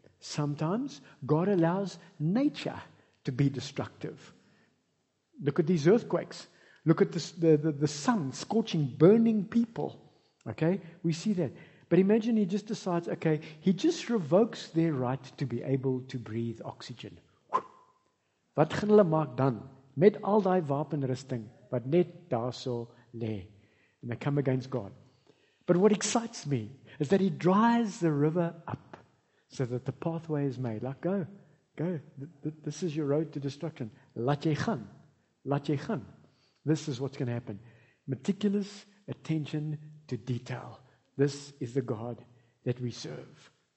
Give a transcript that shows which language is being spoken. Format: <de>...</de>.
<en>Sometimes God allows nature to be destructive. Look at these earthquakes. Look at the sun scorching, burning people. Okay, we see that. But imagine he just decides, okay, he just revokes their right to be able to breathe oxygen.</en> <af>Wat gaan hulle maak dan? Met al die wapenrusting, wat net daar so lê.</af> <en>And they come against God. But what excites me is that he dries the river up so that the pathway is made. Like, go, go. This is your road to destruction.</en> <af>Laat jy gaan. Laat jy gaan.</af> <en>This is what's going to happen. Meticulous attention to detail. This is the God that we serve.</en>